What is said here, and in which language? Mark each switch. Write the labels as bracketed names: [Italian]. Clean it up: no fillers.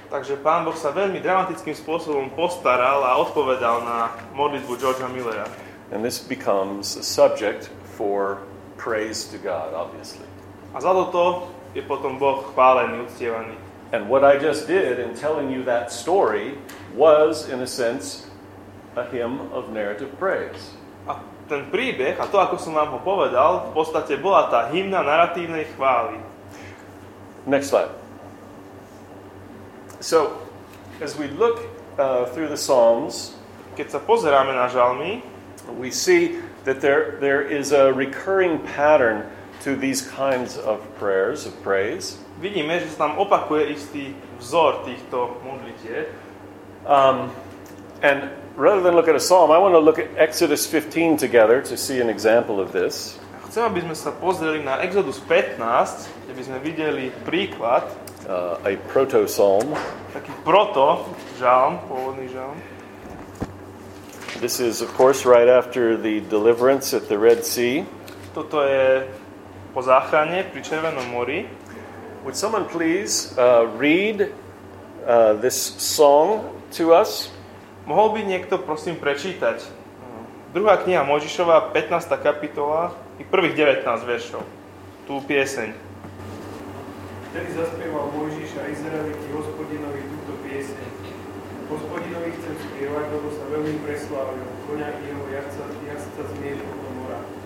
[Slovak] Takže Pán Boh sa veľmi dramatickým spôsobom postaral a odpovedal na modlitbu Georgea Müllera. [English] And this becomes a subject for praise to God, obviously. [Slovak] A za toto je potom Boh chválený, uctievaný. [English] And what I just did in telling you that story was, in a sense, a hymn of narrative praise. [Slovak] A ten príbeh a to, ako som vám ho povedal, v podstate bola tá hymna naratívnej chvály. [English] Next slide. So, as we look through the Psalms, [Slovak] keď sa pozeráme na žalmy, [English] we see that there is a recurring pattern to these kinds of prayers, of praise. [Slovak] Vidíme, že sa tam opakuje istý vzor týchto modlitieb. [English] And rather than look at a psalm, I want to look at Exodus 15 together to see an example of this. [Slovak] Chcem, aby sme sa pozreli na Exodus 15, aby sme videli príklad. [English] A proto-psalm. [Slovak] Taký proto-žalm, pôvodný žalm. [English] This is, of course, right after the deliverance at the Red Sea. [Slovak] Toto je po záchrane pri Červenom mori. [English] Would someone please read this song to us? [Slovak] Mohol by niekto, prosím, prečítať druhá kniha Mojžišova, 15. kapitola, i prvých 19 veršov, tú pieseň. Vtedy zaspieval Mojžiš a Izraeliti Hospodinovi túto pieseň. Hospodinovi chcem spievať, lebo sa veľmi preslávil, koňa i jeho jazdca zmiešil do mora.